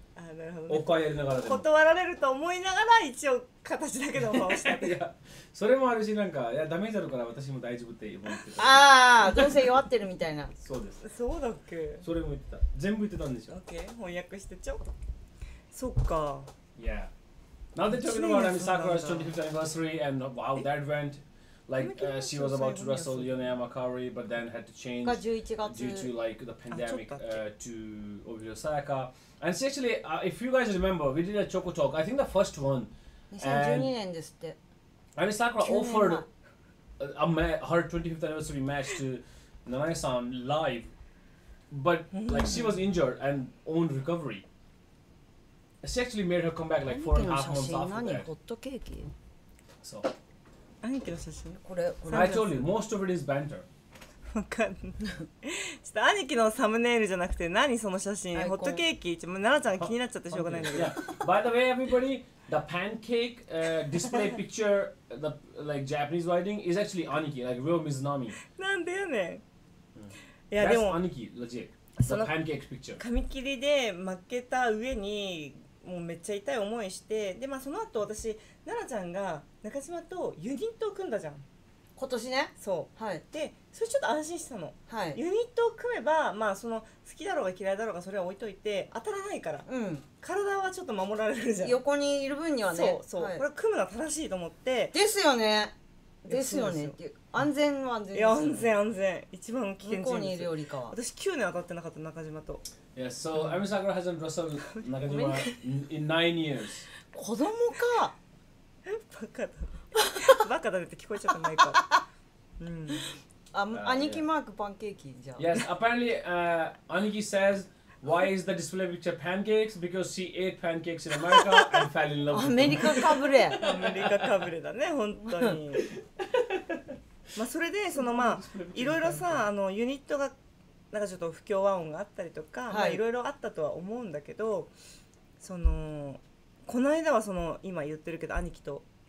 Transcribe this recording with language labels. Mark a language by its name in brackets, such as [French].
[Japanese] あ、なるほど、ね、おっぱいやりながらでも断られると思いながら一応形だけでオファーをしたいや、それもあるし、なんか、いや、ダメージあるから私も大丈夫って思ってた。ああ、どうせ弱ってるみたいな。そうです、そうだっけ。それも言ってた、全部言ってたんでしょ。 OK、 翻訳してちょ。そっか、いや、なんで [English] talking about Ami Sakura's 25th anniversary and how that went like、she was about to wrestle Yonehama Kaori but then had to change due to like the pandemic to Obito Sayaka and actually、if you guys remember we did a Choco Talk, I think the first one [Japanese] 2012年ですって。 [English] Ami Sakura offered her 25th anniversary match to Nanae-san live, but like she was injured and on recovery. She actually made her come back like 4.5 months after that. So, I told you, most of it is banter. [Japanese] ちょっと兄貴のサムネイルじゃなくて何その写真、ホットケーキ、ちょ、奈々ちゃん気になっちゃってしょうがないんだけど、 [English] yeah. By the way everybody, the pancake、display picture, the like Japanese writing is actually 兄貴 like real Mizunami. [Japanese] なんでやねん、いやでも兄貴 [English] legit the pancake picture. [Japanese] 髪切りで負けた上にもうめっちゃ痛い思いして、で、まあ、その後私奈々ちゃんが中島とユニットを組んだじゃん今年ね。そう、はい、でそれちょっと安心したの、はい、ユニットを組めば、まあ、その好きだろうが嫌いだろうがそれは置いといて当たらないから、うん、体はちょっと守られるじゃん横にいる分にはね。そうそう、はい、これ組むのは正しいと思って。ですよね、ですよね、っていう安全は安全ですよ、ね、いや安全安全、一番危険人向こうにいるよりかは。私9年当たってなかった中島と。 [English] Yes, so Ami Sakura hasn't wrestled 中島 in 9 years [Japanese] 子供かバカだバカだって聞こえちゃったマイク。兄貴マークパンケーキじゃん。 [English] Yes, apparently, Aniki says, why is the display picture pancakes? Because she ate pancakes in America and fell in love. [Japanese] アメリカかぶれ。アメリカかぶれだね、本当に。まあそれでそのまあいろいろさ、あのユニットがなんかちょっと不協和音があったりとか、はいろいろあったとは思うんだけど、そのこの間はその今言ってるけど兄貴と。